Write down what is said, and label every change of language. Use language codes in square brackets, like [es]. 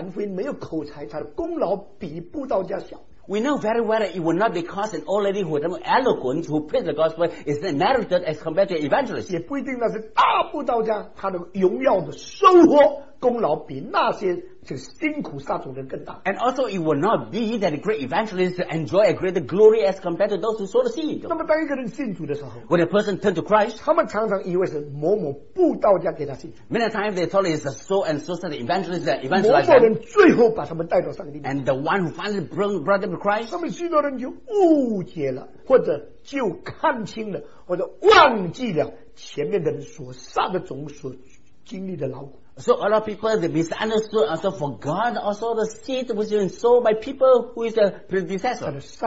[zh] 我们就知道不一定一个老太婆传福音没有口才她的功劳比布道家小, [en] we know very well that it will not be because an old lady who is eloquent, who preached the gospel, is not merited as compared to an evangelist. [zh] 也不一定那是大步道家他的荣耀的收获功劳比那些这个辛苦撒种人更大, [en] and also it will not be that a great evangelist enjoy a greater glory as compared to those who sow the seed. [zh] 那么当一个人信主的时候, [en] when a person turned to Christ, [zh] 他们常常以为是某某布道家给他信主, [en] many times they thought it's a so and so said evangelist that evangelized them, and the one who finally brought them to Christ, [zh] 他们许多人就误解了, 或者就看清了, 或者忘记了前面的人所撒的种所经历的劳苦, [en] so a lot of people they misunderstood, also forgot also the seed was even sown by people who is a predecessor.